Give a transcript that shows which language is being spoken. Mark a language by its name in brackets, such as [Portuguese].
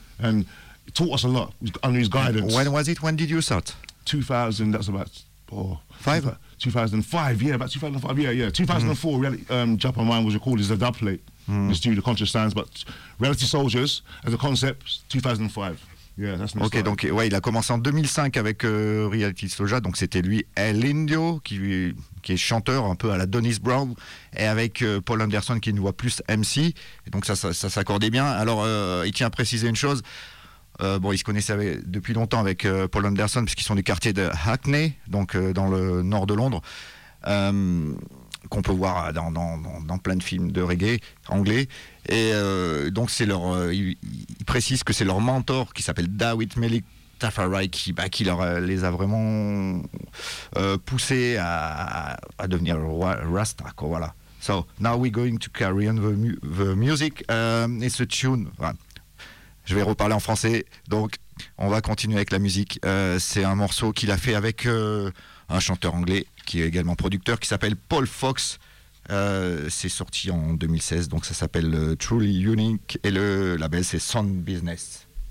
[English] And he taught us a lot under his guidance. When was it? When did you start? 2000, that's about... Oh, five? 2005, yeah, about 2005, yeah, yeah. 2004, Japan Mind was recorded as a dub plate. It's due to conscious stands, but Reality Soldiers as a concept, 2005. Yeah, that's okay. [French] Donc, ouais, il a commencé en 2005 avec Reality Soldiers. Donc, c'était lui, El Indio, qui est chanteur un peu à la Dennis Brown, et avec Paul Anderson, qui nous voit plus MC. Et donc, ça s'accordait bien. Alors, il tient à préciser une chose. Bon, ils se connaissaient depuis longtemps avec Paul Anderson, puisqu'ils sont du quartier de Hackney, donc dans le nord de Londres, qu'on peut voir dans plein de films de reggae anglais. Et donc, c'est leur, ils précisent que c'est leur mentor qui s'appelle Dawit Melik Tafarai qui leur, les a vraiment poussés à devenir Rasta. Quoi, voilà. [English] So, now we're going to carry on the music. It's a tune. Voilà. [French] Je vais reparler en français, donc on va continuer avec la musique. C'est un morceau qu'il a fait avec un chanteur anglais qui est également producteur, qui s'appelle Paul Fox. C'est sorti en 2016, donc ça s'appelle Truly Unique, et le label c'est Sound Business.